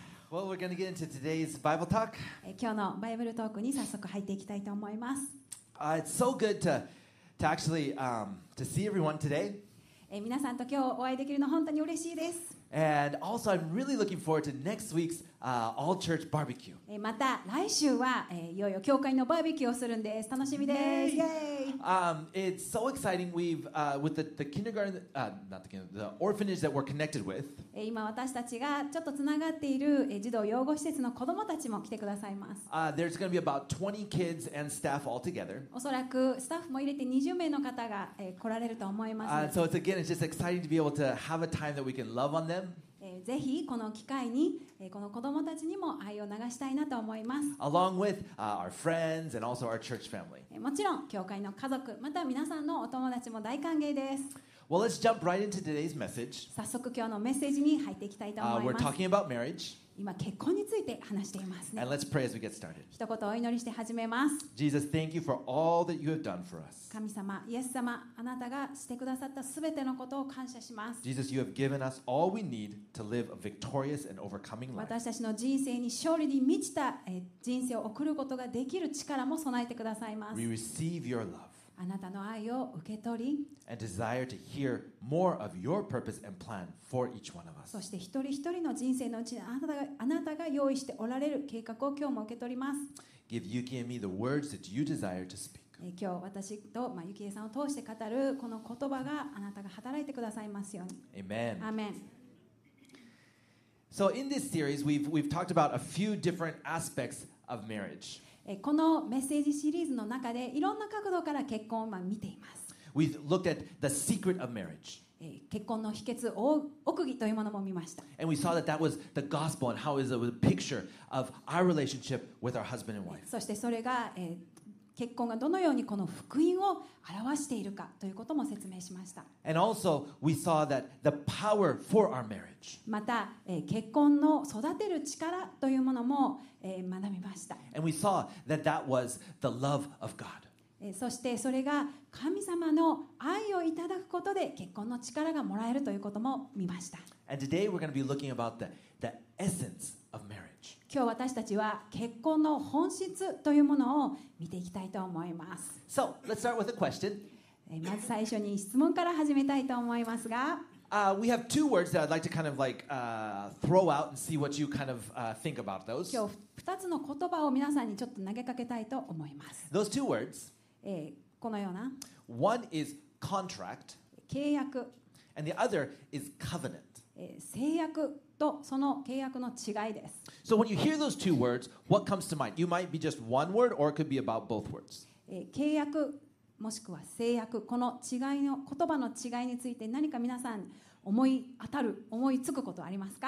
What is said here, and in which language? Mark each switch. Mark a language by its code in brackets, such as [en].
[en] Well, we're going to get into today's Bible talk. [ja] 今日のバイブルトークに早速入っていきたいと思います。 [en] It's so good to actually to see everyone today. [ja] 皆さんと今日お会いできるの本当に嬉しいです。 [en] And also, I'm really looking forward to next week's all church barbecue. [ja] また来週はいよいよ教会のバーベキューをするんです。楽しみです。 [en] Yay! It's so exciting. With the kindergarten, not the kindergarten, the orphanage that we're connected with. [ja] 今私たちがちょっとつながっている児童養護施設の子どもたちも来てくださいます。 [en] There's going to be about 20 kids and staff altogether. [ja] おそらくスタッフも入れて20名の方が来られると思います。 [en] So it's again, it's just exciting to be able to have a time that we can love on them. [ja] ぜひこの機会にこの子どもたちにも愛を流したいなと思います。 [en] Along with our friends and also our church family. [ja] もちろん教会の家族、また皆さんのお友達も大歓迎です。 [en] Well, let's jump right into today's message. [ja] 早速今日のメッセージに入っていきたいと思います。 [en] We're talking about marriage. [ja] 今結婚について話していますね。 [en] And let's pray as we get started. [ja] 一言お祈りして始めます。 [en] Jesus, thank you for all that you have done for us. [ja] 神様、イエス様、あなたがしてくださったすべてのことを感謝します。 [en] Jesus, you have given us all we need to live a victorious and overcoming life. [ja] 私たちの人生に勝利に満ちた人生を送ることができる力も備えてくださいます。 [en] We receive your love. [ja] あなたの愛を受け取り、 [en] and desire to hear more of your purpose and plan for each one of us. [ja] そして一人一人の人生のうちにあなたが用意しておられる計画を今日も受け取ります。 [en] Give Yuki and me the words that you desire to speak. [ja] 今日私と、ユキエさんを通して語るこの言葉があなたが働いてくださいますように。 [en] Amen. Amen. So in this series, we've talked about a few different aspects of marriage. [ja] このメッセージシリーズの中でいろんな角度から結婚を見ています。 [en] We've looked at the secret of marriage. [ja] 結婚の秘訣、奥義というものも見ました。 [en] And we saw that that was the gospel and how it was a picture of our relationship with our husband and wife. [ja] そしてそれが、結婚がどのようにこの福音を表しているかということも説明しました。 [en] And also we saw that the power for our marriage. [ja] また、結婚の育てる力というものも学びました。 [en] And we saw that that was the love of God. [ja] そしてそれが神様の愛をいただくことで結婚の力がもらえるということも見ました。 [en] And today we're going to be looking about the essence of marriage. [ja] 今日私たちは結婚の本質というものを見ていきたいと思います。 [en] So let's start with a question. [ja] まず最初に質問から始めたいと思いますが、 [en] We have two words that I'd like to kind of like throw out and see what you kind of think about those. [ja] 今日2つの言葉を皆さんにちょっと投げかけたいと思います。 [en] Those two words. [ja] このような。 [en] One is contract. [ja] 契約。 [en] And the other is covenant. [ja] 契約とその契約の違いです。 [en] So when you hear those two words, what comes to mind? You might be just one word or it could be about both words. [ja] 契約もしくは制約、この違いの言葉の違いについて何か皆さん思い当たる、思いつくことはありますか？